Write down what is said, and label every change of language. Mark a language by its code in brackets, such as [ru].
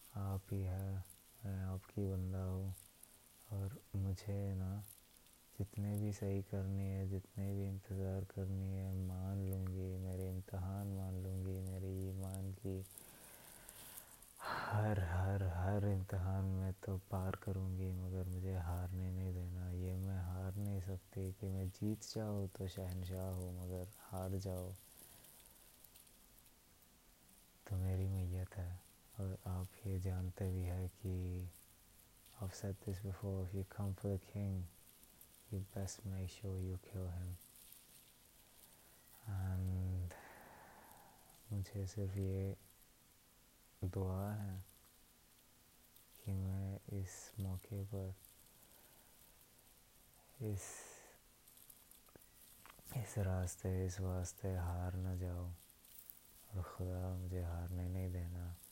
[hi] आप ही है, मैं आपकी बंदा हूँ। और मुझे ना जितने भी सही करनी है, जितने भी इंतज़ार करनी है, मान लूँगी, मेरे इम्तहान मान लूँगी, मेरे ईमान की हर हर हर इम्तहान में तो पार करूँगी। मगर मुझे हारने नहीं देना, ये मैं हार नहीं सकती। कि मैं जीत जाऊँ तो शहनशाह हूँ, मगर हार जाओ तो मेरी मैयत है। और आप ये जानते भी है कि [en] I've said this before, if you come for the king, you best make sure you kill him. [hi] And मुझे सिर्फ ये दुआ है कि मैं इस मौके पर इस रास्ते इस वास्ते हार ना जाऊँ, और खुदा मुझे हारने नहीं देना।